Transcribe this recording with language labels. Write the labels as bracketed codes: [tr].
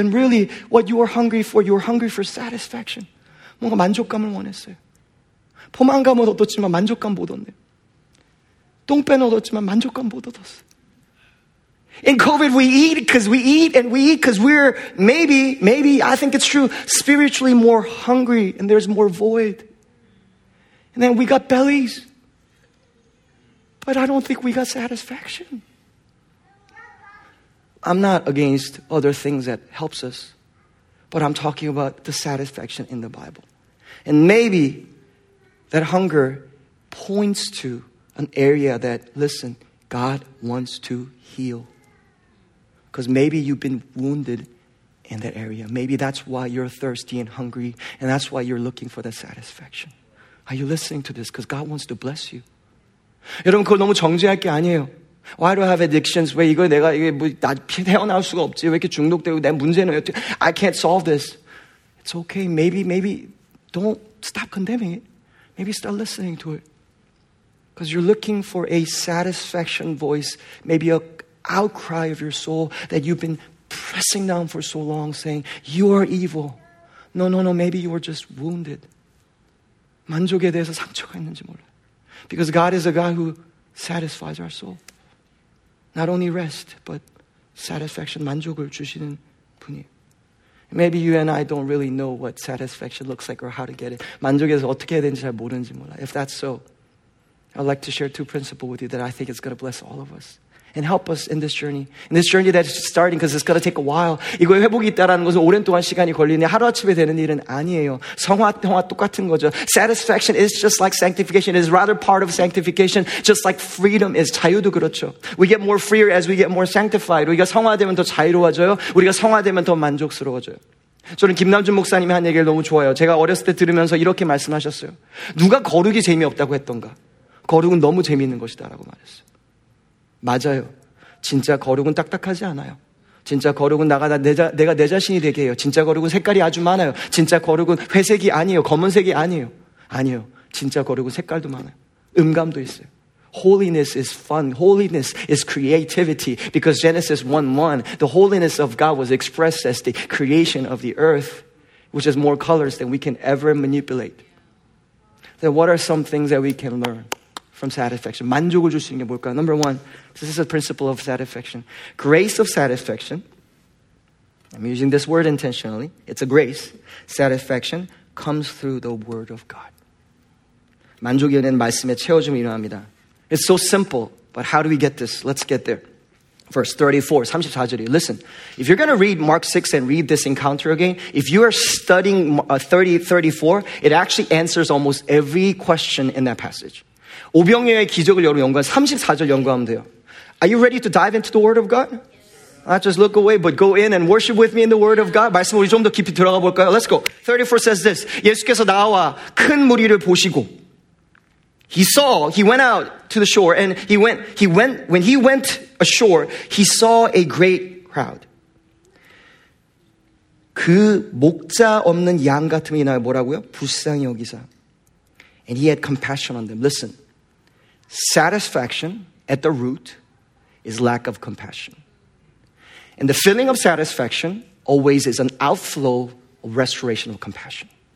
[en] And really, what you were hungry for, you were hungry for satisfaction. [ko] 뭔가 만족감을 원했어요. 포만감은 얻었지만 만족감 못 얻네. 똥배는 얻었지만 만족감 못 얻었어. [en] In COVID, we eat because we eat and we eat because we're maybe, I think it's true, spiritually more hungry and there's more void. And then we got bellies. But I don't think we got satisfaction. I'm not against other things that helps us, but I'm talking about the satisfaction in the Bible. And maybe that hunger points to an area that, listen, God wants to heal. Because maybe you've been wounded in that area. Maybe that's why you're thirsty and hungry, and that's why you're looking for that satisfaction. Are you listening to this? Because God wants to bless you. [ko] 여러분, 그걸 너무 정죄할 게 아니에요. [en] Why do I have addictions? [ko] 왜 이거 내가, 이게 뭐, 나 헤어나올 수가 없지? 왜 이렇게 중독되고 내 문제는 어떻게, [en] I can't solve this. It's okay. Maybe, don't stop condemning it. Maybe start listening to it. Because you're looking for a satisfaction voice, maybe an outcry of your soul that you've been pressing down for so long, saying, you are evil. No, maybe you were just wounded. [ko] 만족에 대해서 상처가 있는지 몰라요. [en] Because God is a God who satisfies our soul. Not only rest, but satisfaction, [ko] 만족을 주시는 분이에요. [en] Maybe you and I don't really know what satisfaction looks like or how to get it. [ko] 만족에서 어떻게 해야 되는지 잘 모르는지 몰라요. [en] If that's so, I'd like to share two principles with you that I think is going to bless all of us and help us in this journey. In this journey that's starting because it's going to take a while. [ko] 이거 회복이 있다라는 것은 오랜 동안 시간이 걸리는데 하루아침에 되는 일은 아니에요. 성화와 똑같은 거죠. [en] Satisfaction is just like sanctification. It is rather part of sanctification. Just like freedom is. [ko] 자유도 그렇죠. [en] We get more freer as we get more sanctified. [ko] 우리가 성화되면 더 자유로워져요. 우리가 성화되면 더 만족스러워져요. 저는 김남준 목사님이 한 얘기를 너무 좋아해요. 제가 어렸을 때 들으면서 이렇게 말씀하셨어요. 누가 거룩이 재미없다고 했던가. 거룩은 너무 재미있는 것이다 라고 말했어요. 맞아요. 진짜 거룩은 딱딱하지 않아요. 진짜 거룩은 나가다 내가 내 자신이 되게 해요. 진짜 거룩은 색깔이 아주 많아요. 진짜 거룩은 회색이 아니에요. 검은색이 아니에요. 아니요. 진짜 거룩은 색깔도 많아요. 음감도 있어요. [en] Holiness is fun. Holiness is creativity. Because Genesis 1:1, the holiness of God was expressed as the creation of the earth, which is more colors than we can ever manipulate. Then what are some things that we can learn? From satisfaction. [ko] 만족을 줄 수 있는 게 뭘까? [en] Number one, this is a principle of satisfaction. Grace of satisfaction. I'm using this word intentionally. It's a grace. Satisfaction comes through the word of God. [ko] 만족이 오는 말씀에 채워짐이 일어납니다. [en] It's so simple, but how do we get this? Let's get there. Verse 34, [ko] 34절이에요. [en] Listen, if you're going to read Mark 6 and read this encounter again, if you are studying 34, it actually answers almost every question in that passage. [ko] 오병이어의 기적을 여러분 연구하면 34절 연구하면 돼요. [en] Are you ready to dive into the word of God? Not just look away, but go in and worship with me in the word of God. [ko] 말씀 우리 좀 더 깊이 들어가 볼까요? [en] Let's go. 34 says this. [ko] 예수께서 나와 큰 무리를 보시고 [en] He went ashore, he saw a great crowd. [ko] 그 목자 없는 양 같음이 나와 뭐라고요? 불쌍히 여기사. [en] And he had compassion on them. Listen. Satisfaction at the root is lack of compassion. And the feeling of satisfaction always is an outflow of restoration of compassion.